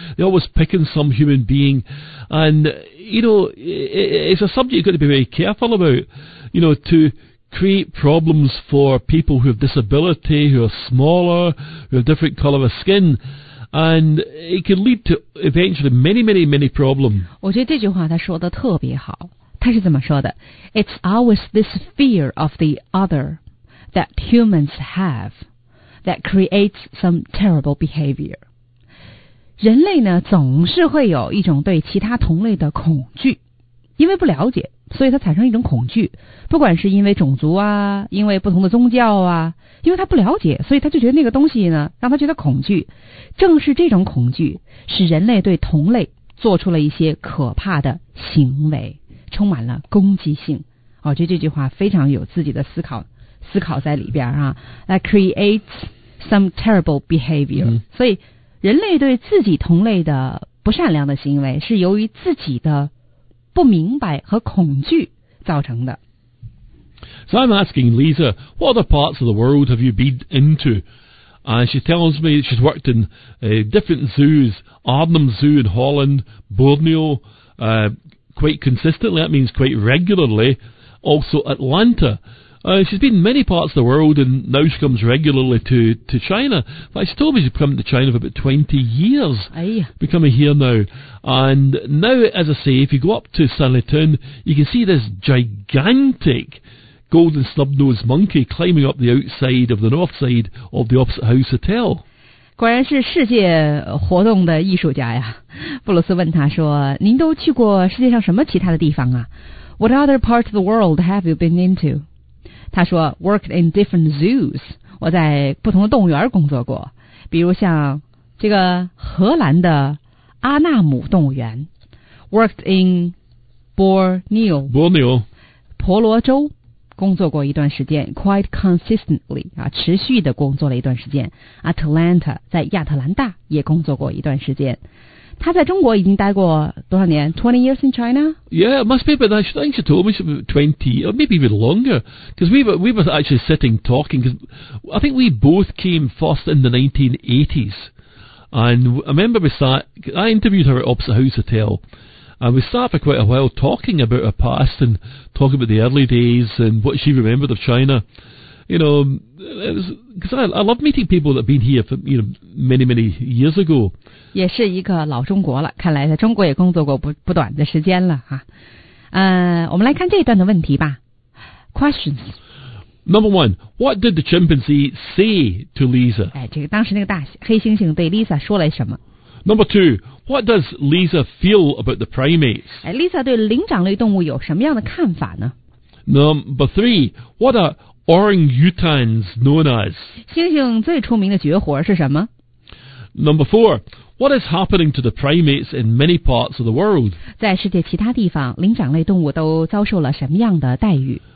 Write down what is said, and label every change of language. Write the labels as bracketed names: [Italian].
[English] They're always picking some human being. And, you know, it's a subject you've got to be very careful about, you know, to,create problems for people who have disability, who are smaller, who have different color of skin, and it can lead to eventually many, many, many problems. [Chinese] 我觉得这句话他说的特别好。他是怎么说的？ [English] It's always this fear of the other that humans have that creates some terrible behavior. [Chinese] 人类呢，总是会有一种对其他同类的恐惧，因为不了解。所以他产生一种恐惧，不管是因为种族啊，因为不同的宗教啊，因为他不了解，所以他就觉得那个东西呢，让他觉得恐惧。正是这种恐惧，使人类对同类做出了一些可怕的行为，充满了攻击性。哦，就这句话非常有自己的思考在里边啊。 [English] That creates some terrible behavior.、Mm-hmm. [Chinese] 所以人类对自己同类的不善良的行为，是由于自己的不明白和恐惧造成的。 [English] So I'm asking Lisa, what other parts of the world have you been into? And she tells me she's worked in、different zoos, Arnhem Zoo in Holland, Borneo,、quite consistently, that means quite regularly, also Atlanta.、she's been in many parts of the world and now she comes regularly to China. But she told me she's come to China for about 20 years. Becoming here now. And now, as I say, if you go up to Sanlitun, you can see this gigantic golden snub-nosed monkey climbing up the outside of the north side of the Opposite House Hotel. [Chinese] 果然是世界活动的艺术家呀。布鲁斯问他说，您都去过世界上什么其他的地方啊？ [English] What other parts of the world have you been into? [Chinese] 他说 [English] worked in different zoos. [Chinese] 我在不同的动物园工作过，比如像这个荷兰的阿纳姆动物园 ， [English] worked in Borneo [Chinese] 婆罗洲工作过一段时间 ， [English] quite consistently [Chinese] 啊，持续的工作了一段时间。 Atlanta 在亚特兰大也工作过一段时间。他在中国已经待过多少年 ？ [English] 20 years in China? Yeah, it must be, but I think she told me about 20 or maybe even longer. Because we were actually sitting talking. Because I think we both came first in the 1980s. And I remember I interviewed her at Opposite House Hotel, and we sat for quite a while talking about her past and talking about the early days and what she remembered of China. You know, because I love meeting people that have been here for, you know, many, many years ago. [Chinese] 也是一个老中国了，看来在中国也工作过 不短的时间了哈。我们来看这一段的问题吧。 [English] Questions. Number one, what did the chimpanzee say to Lisa? [Chinese] 哎，这个当时那个大黑猩猩对 Lisa 说了什么 [English] ？Number two, what does Lisa feel about the primates? [Chinese] 哎 ，Lisa 对灵长类动物有什么样的看法呢 [English] ？Number three, what are orangutans known as? [Chinese] 猩猩最出名的绝活是什么 [English] ？Number four, what is happening to the primates in many parts of the world? [Chinese] 在世界其他地方，灵长类动物都遭受了什么样的待遇